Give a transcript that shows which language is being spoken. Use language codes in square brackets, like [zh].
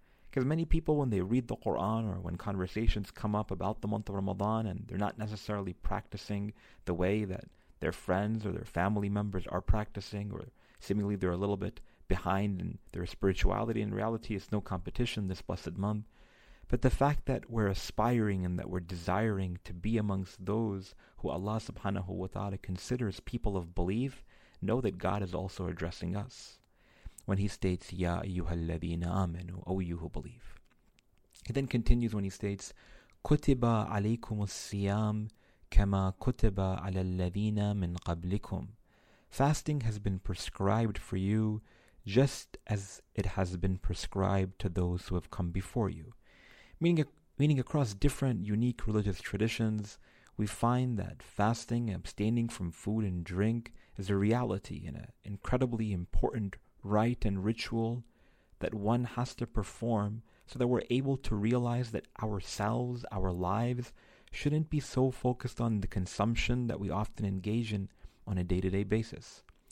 [en] Because many people, when they read the Qur'an or when conversations come up about the month of Ramadan and they're not necessarily practicing the way that their friends or their family members are practicing, or seemingly they're a little bit behind in their spirituality, in reality it's no competition this blessed month. But the fact that we're aspiring and that we're desiring to be amongst those who Allah subhanahu wa ta'ala considers people of belief, know that God is also addressing us when he states, [ar] يَا أَيُّهَا الَّذِينَ آمَنُوا, [en] O you who believe. He then continues when he states, [ar] كُتِبَ عَلَيْكُمُ السِّيَامُ كَمَا كُتِبَ عَلَى الَّذِينَ مِنْ قَبْلِكُمْ. [en] Fasting has been prescribed for you just as it has been prescribed to those who have come before you. Meaning across different unique religious traditions, we find that fasting, abstaining from food and drink, is a reality and an incredibly important rite and ritual that one has to perform so that we're able to realize that ourselves, our lives, shouldn't be so focused on the consumption that we often engage in on a day-to-day basis.